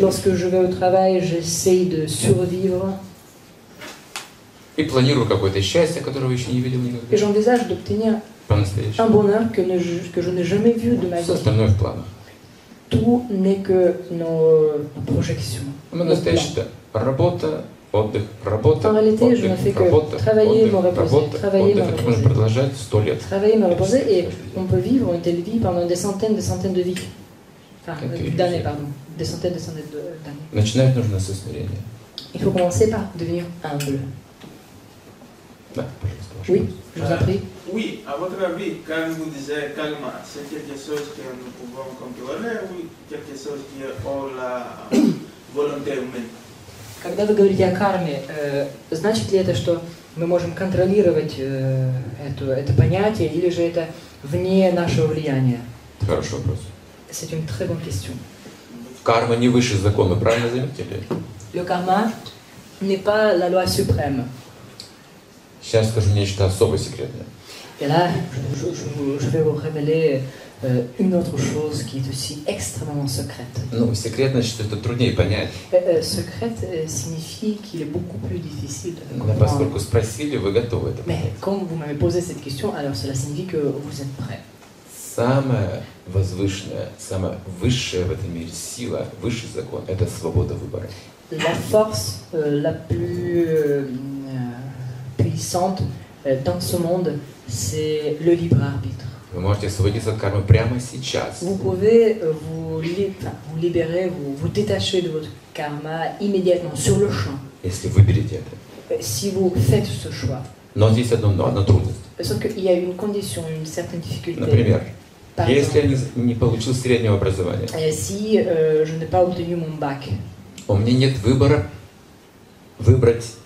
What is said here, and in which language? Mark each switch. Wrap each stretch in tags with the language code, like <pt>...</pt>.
<fr>Lorsque je vais au travail, j'essaie de survivre.</fr> <ru>И планирую какое-то счастье, которого еще не видел никогда.</ru> <fr>Et j'envisage d'obtenir un bonheur que je n'ai jamais vu de ma vie.</fr> <ru>Все остальное в планах.</ru> <fr>Tout n'est que nos projections. Mais</fr> <ru>настоящее это работа, отдых, работа.</ru> <fr>En réalité, je ne fais que travailler, me reposer, travailler, me reposer.</fr> <ru>Это можно продолжать 100 лет.</ru> <fr>Travailler, me reposer, et on peut vivre une telle vie pendant des centaines de vies. D'années, pardon. Des centaines, d'années.</fr> <ru>Начинать нужно со смирения.</ru> <fr>Il faut commencer par devenir humble. Oui, je vous en prie. Oui, à votre avis, quand vous disiez calme, c'est quelque chose que nous pouvons contrôler ou quelque chose qui est hors la volonté humaine?</fr> <ru>Когда вы говорите о карме, значит ли это, что мы можем контролировать это понятие или же это вне нашего влияния? Хороший вопрос.</ru> <fr>C'est une très bonne question.</fr> <ru>Карма не выше закона, правильно заметили?</ru> <fr>Le karma n'est pas la loi suprême.</fr> <ru>Сейчас скажу нечто особо секретное.</ru> <fr>Et là, je vais vous révéler une autre chose qui est aussi extrêmement secrète.</fr> <ru>Ну, секретно, что это труднее понять.</ru> <fr>Secret signifie qu'il est beaucoup plus difficile. Mais</fr> <ru>поскольку спросили, вы готовы это понять.</ru> <fr>Mais comme vous m'avez posé cette question, alors cela signifie que vous êtes prêt.</fr> <ru>Самое возвышенное, самое высшее в этом мире сила, высший закон – это свобода выбора.</ru> <fr>La force la plus puissante dans ce monde, c'est le libre arbitre.</fr> <ru>Вы можете освободиться от кармы прямо сейчас.</ru> <fr>Vous pouvez vous libérer, vous détacher de votre karma immédiatement sur le champ.</fr> <ru>Если вы берете это.</ru> <fr>Si vous faites ce choix.</fr> <ru>Но здесь одна трудность.</ru> <fr>Sauf qu'il y a une condition, une certaine difficulté.</fr> <ru>Например, если я не получил среднего образования.</ru> <fr>Si je n'ai pas obtenu mon bac.</fr> <ru>У меня нет выбора выбрать.</ru>